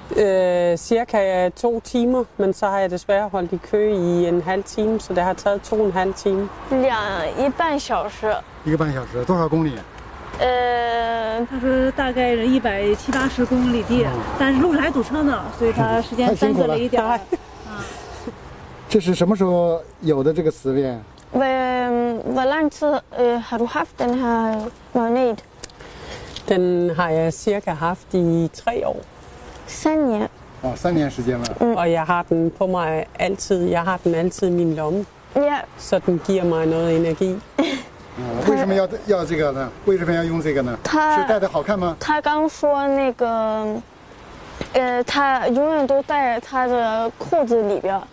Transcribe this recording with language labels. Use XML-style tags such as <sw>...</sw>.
<da>cirka 2 timer， men så har jeg desværre holdt i kø i en halv time， så det har taget 2.5 timer。</da> <zh>1.5小时。一个半小时，多少公里？他说大概是170-180公里地，但是路来堵车呢，所以他时间耽搁了一点。这是什么时候有的这个词变？</zh> <da>Hvor lang tid har du haft den her magnet? Den har jeg cirka haft i 3 år. 3 år. 3 år</da> <zh>时间了。</zh> <da>Og jeg har den på mig altid. Jeg har den altid i min lomme. Ja. Så den giver mig noget energi.</da> <zh>为什么要这个呢？为什么要用这个呢？他是戴的好看吗？他刚说那个，他永远都戴他的裤子里边。</zh>